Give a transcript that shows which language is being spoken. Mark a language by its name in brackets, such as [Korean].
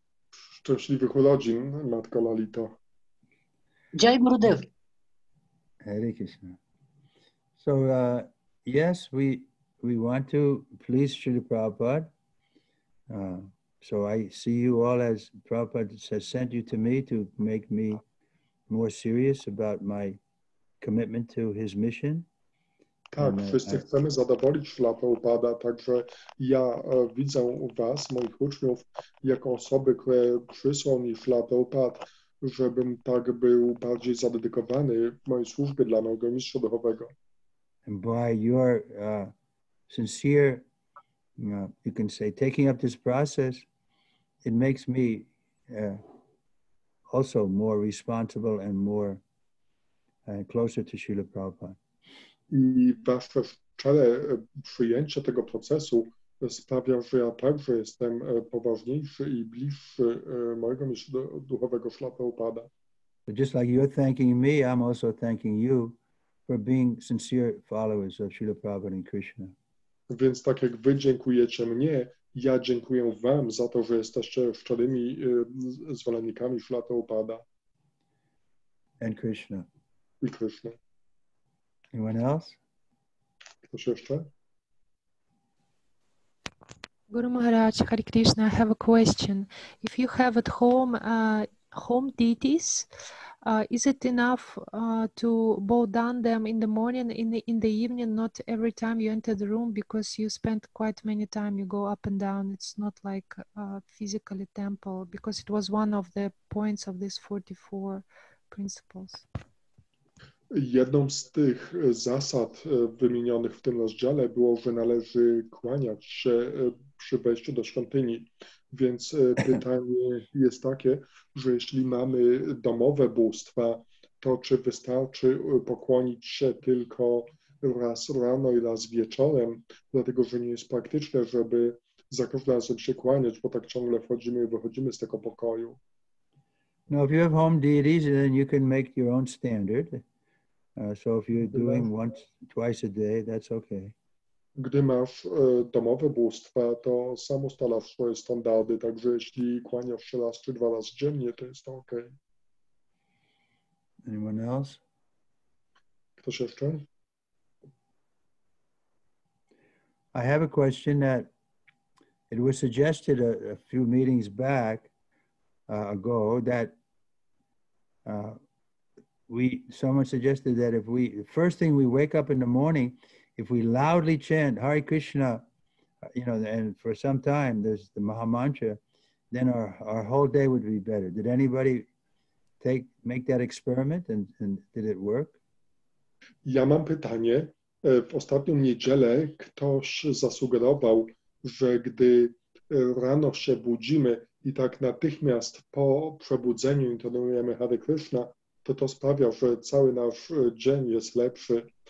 [Polish] Szczęśliwych urodzin, Matko Lalito. [Hindi] Jai Gurudev. [Sanskrit] Hare Krishna. [English] So, yes, we want to please Srila Prabhupada. So I see you all as Prabhupada has sent you to me to make me more serious about my commitment to his mission. [Polish] Tak, wszyscy chcemy zadowolić Śrila Prabhupada, także ja widzę was, moich uczniów, jako osoby, które przysłał mi Śrila Prabhupada, żebym tak był bardziej zadedykowany w mojej służbie dla mojego mistrza duchowego. [English] And by your sincere, you can say, taking up this process, it makes me also more responsible and more closer to Śrila Prabhupada. [Polish] I wasze szczere przyjęcie tego procesu sprawia, że ja także jestem poważniejszy i bliższy mojego mistrza duchowego Śrila Prabhupada. [English] Just like you're thanking me, I'm also thanking you for being sincere followers of Śrila Prabhupada and Krishna. [Polish] Więc tak jak wy dziękujecie mnie, Ja dziękuję wam za to, że jesteście szczerymi zwolennikami Szlata Upada. [English] And Krishna. [Polish] I Krishna. [English] Anyone else? [Polish] Ktoś jeszcze? [English] Guru Maharaj, Hare Krishna, I have a question. If you have at home home deities, is it enough to bow down them in the morning, in the evening, not every time you enter the room, because you spend quite many time, you go up and down, it's not like physically temple, because it was one of the points of these 44 principles. [Polish] Jedną z tych zasad wymienionych w tym rozdziale było, że należy kłaniać się przy wejściu do świątyni. Więc pytanie jest takie, że jeśli mamy domowe bóstwa, to czy wystarczy pokłonić się tylko raz rano i raz wieczorem, dlatego że nie jest praktyczne, żeby za każdym razem się kłaniać, bo tak ciągle wchodzimy i wychodzimy z tego pokoju. [English] Now, if you have home deities, then you can make your own standard. So if you're doing once, twice a day, that's okay. [Polish] Gdy masz domowe bóstwa, to sam ustalasz swoje standardy, także jeśli kłaniasz się raz czy dwa razy dziennie, to jest to okej. [English] Okay. Anyone else? [Polish] Ktoś jeszcze? [English] I have a question that it was suggested a few meetings back ago that someone suggested that if we, first thing we wake up in the morning, if we loudly chant Hare Krishna, you know, and for some time there's the Maha Mantra, then our whole day would be better. Did anybody make that experiment and did it work? [Polish] Ja mam pytanie. W ostatnią niedzielę ktoś zasugerował, że gdy rano się budzimy i tak natychmiast po przebudzeniu intonujemy Hare Krishna, to sprawia, że cały nasz dzień jest lepszy.